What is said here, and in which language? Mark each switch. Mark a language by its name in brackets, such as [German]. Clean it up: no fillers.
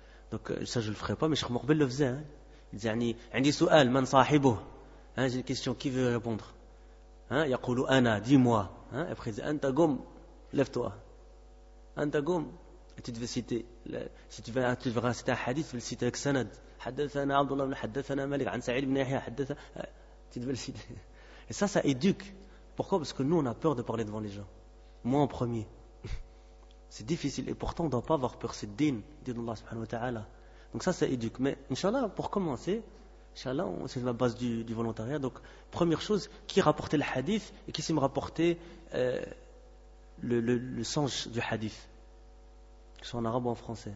[French] Donc ça je le ferai pas, mais Cheikh Mokhbel le faisait. Il disait, [Arabic] عندي سؤال من صاحبه, [French] hein, j'ai une question, qui veut répondre? Hein, [Arabic] يقول أنا, [French] dis-moi. Hein, et après il disait, [Arabic] Anta gom, [French] lève-toi. Anta gom. Et tu devais citer, si tu veux citer un hadith, tu veux le citer avec sanad. [Arabic] حدثنا عبد الله بن حدثنا مالك عن سعيد بن يحيى حدثنا. [French] Tu devais le citer. Et ça éduque. Pourquoi? Parce que nous on a peur de parler devant les gens. Moi en premier. C'est difficile et pourtant on ne doit pas avoir peur, c'est din, d'Allah subhanahu wa ta'ala. Donc ça éduque. Mais Inch'Allah, pour commencer, Inch'Allah, c'est la base du volontariat. Donc première chose, qui rapportait le hadith et qui s'est me rapporté le sens du hadith? Que ce soit en arabe ou en français.